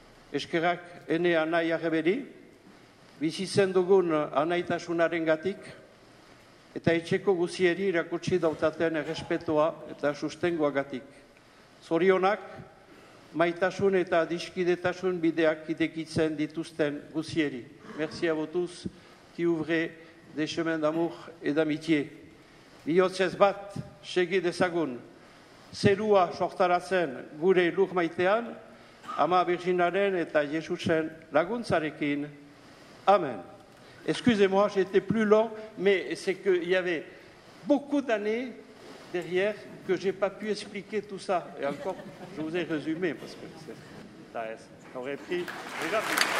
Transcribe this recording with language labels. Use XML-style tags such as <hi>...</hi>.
<eu>Eskerrak ene anai arreberi, bizitzen dugun anaitasunaren gatik, eta etxeko guzieri irakutsi dautaten errespetua eta sustengoa gatik. Zorionak, maitasun eta diskidetasun bideak idekitzen dituzten guzieri.</eu> <fr>Merci a vous tous qui ouvrez des chemins d'amour et d'amitié.</fr> <eu>Bihotzez bat segi dezagun, zerua sortaratzen gure lur maitean, Ama Virginaren eta Jesusen laguntzarekin. Amen.</eu> <fr>Excusez-moi, j'ai été plus long, mais c'est qu'il y avait beaucoup d'années derrière que j'ai pas pu expliquer tout ça. Et encore, je vous ai résumé, parce que ça aurait pris déjà plus.</fr>